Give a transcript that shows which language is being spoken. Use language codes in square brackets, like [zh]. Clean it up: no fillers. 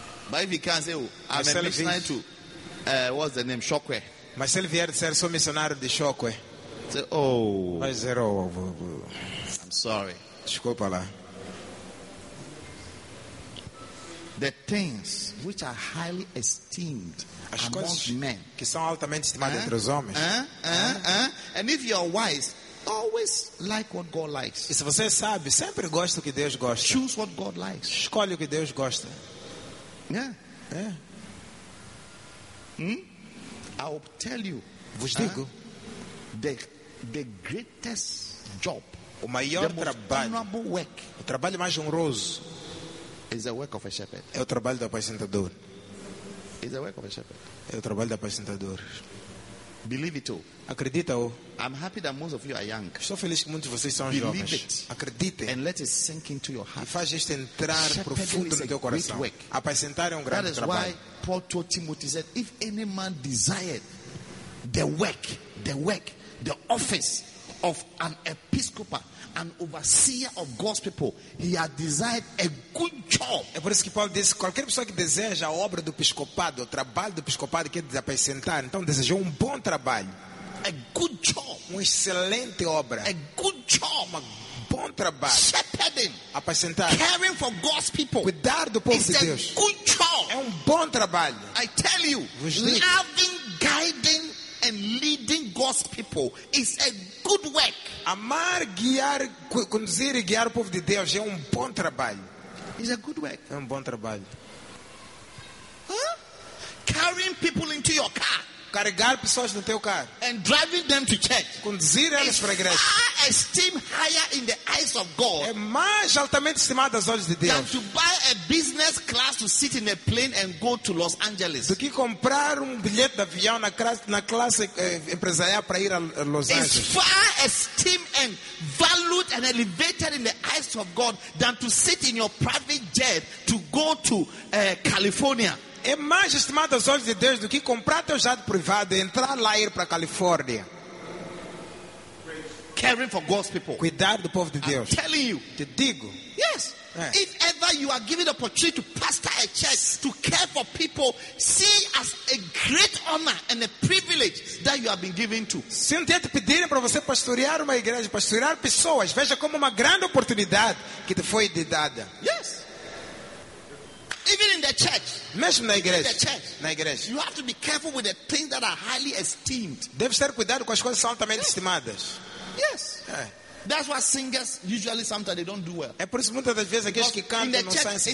[en] But if he can say, oh, I'm a missionary to what's the name? Shokwe. [pt] Mas se ele vier dizer, sou missionário de Shokwe. [en] Say, oh. [pt] Mas zero. [en] I'm sorry. [pt] Desculpa lá. [en] The things which are highly esteemed [pt] as [en] among men. [pt] Que são altamente estimadas entre os homens. [en] And if you are wise, always like what God likes. [pt] E se você sabe, sempre gosta o que Deus gosta. [en] Choose what God likes. [pt] Escolhe o que Deus gosta. [en] Yeah. [pt] É. [en] I will tell you. [pt] Vos digo. [en] The greatest job. [pt] O maior [en] the [pt] trabalho. [en] Most honorable work. [pt] O trabalho mais honroso. [en] Is the work of a shepherd. [pt] É o trabalho do apacentador. [en] Is the work of a shepherd. [pt] É o trabalho do apacentador. [en] Believe it all. [pt] Acredita o. [en] I'm happy that most of you are young. [pt] Estou feliz que muitos de vocês são [en] believe [pt] jovens. [en] Believe it. [pt] Acredite. [en] And let it sink into your heart. [pt] E faz isto entrar profundo no teu coração. Apacentar é um grande trabalho. [en] That is why Paul told Timothy said, if any man desired the work, the office of an episcopal, an overseer of God's people, he had desired a good job. [pt] É por isso que Paulo disse, qualquer pessoa que deseja a obra do episcopado, o trabalho do episcopado que é de apresentar, então desejou um bom trabalho. [en] A good job. [pt] Uma excelente obra. [en] A good job. [pt] Um bom trabalho. [en] Shepherding. [pt] Apresentar. [en] Caring for God's people. [pt] Cuidar do povo [en] it's [pt] de Deus. [en] A good job. [pt] É um bom trabalho. [en] I tell you, [pt] vos digo. [en] Loving, guiding, and leading God's people is a good work. [pt] Amar, guiar, conduzir e guiar o povo de Deus é um bom trabalho. [en] It's a good work. [pt] É um bom trabalho. [en] Carrying people into your car. [pt] Carregar pessoas no teu carro. [en] And driving them to church. [pt] Conduzir elas para a igreja. [en] Far esteem higher in the eyes of God. [pt] É mais altamente estimado aos olhos de Deus. [en] Than to buy a business class to sit in a plane and go to Los Angeles. [pt] Do que comprar bilhete de avião na classe empresarial para ir a Los Angeles. [en] It's far esteem and valued and elevated in the eyes of God than to sit in your private jet to go to California. [pt] É mais estimado aos olhos de Deus do que comprar teu jato privado e entrar lá e ir para a Califórnia. [en] Caring for God's people. [pt] Cuidar do povo de Deus. [en] I'm telling you. [pt] Te digo. [en] Yes. If ever you are given the opportunity to pastor a church, to care for people, see as a great honor and a privilege that you have been given to. [pt] Se um dia te pedirem para você pastorear uma igreja, pastorear pessoas, veja como uma grande oportunidade que te foi dada. [en] Yes. Even in the church. [pt] Mesmo na igreja. [en] In the church, [pt] na igreja. [en] You have to be careful with the things that are highly esteemed. [pt] Deve ter cuidado com as coisas altamente estimadas. [en] Yes. That's why singers usually sometimes they don't do well. [pt] É por isso muitas das vezes aqueles que cantam não saem bem.